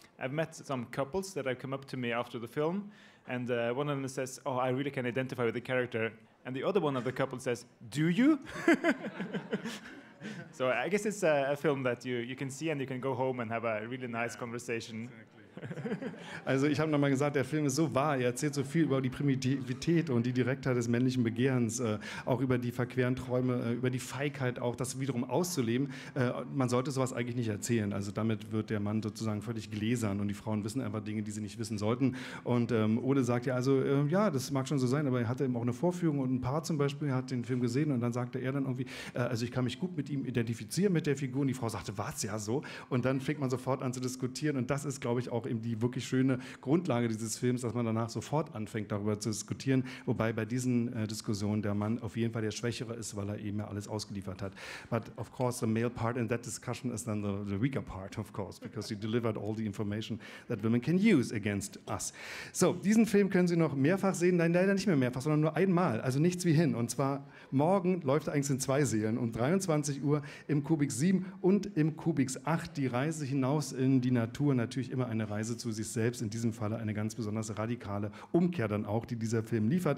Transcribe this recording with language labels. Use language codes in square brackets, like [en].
[en] I've met some couples that have come up to me after the film, and one of them says, oh, I really can identify with the character. And the other one of the couple says, do you? So I guess it's a film that you can see and you can go home and have a really nice conversation. Exactly. [de] Also ich habe nochmal gesagt, der Film ist so wahr, er erzählt so viel über die Primitivität und die Direktheit des männlichen Begehrens, auch über die verqueren Träume, über die Feigheit auch, das wiederum auszuleben. Man sollte sowas eigentlich nicht erzählen, also damit wird der Mann sozusagen völlig gläsern und die Frauen wissen einfach Dinge, die sie nicht wissen sollten. Und Ole sagt ja also, ja, das mag schon so sein, aber er hatte eben auch eine Vorführung und ein Paar zum Beispiel hat den Film gesehen und dann sagte er dann irgendwie, also ich kann mich gut mit ihm identifizieren, mit der Figur, und die Frau sagte, war's ja so, und dann fängt man sofort an zu diskutieren und das ist, glaube ich, auch eben die wirklich schöne Grundlage dieses Films, dass man danach sofort anfängt, darüber zu diskutieren. Wobei bei diesen Diskussionen der Mann auf jeden Fall der Schwächere ist, weil er eben ja alles ausgeliefert hat. [en] But of course the male part in that discussion is then the weaker part, of course, because he delivered all the information that women can use against us. [de] So, diesen Film können Sie noch mehrfach sehen, nein, leider nicht mehr mehrfach, sondern nur einmal, also nichts wie hin. Und zwar morgen läuft er eigentlich in zwei Sälen, um 23 Uhr im Kubik 7 und im Kubik 8. Die Reise hinaus in die Natur, natürlich immer eine Reise zu sich selbst, in diesem Falle eine ganz besonders radikale Umkehr dann auch, die dieser Film liefert.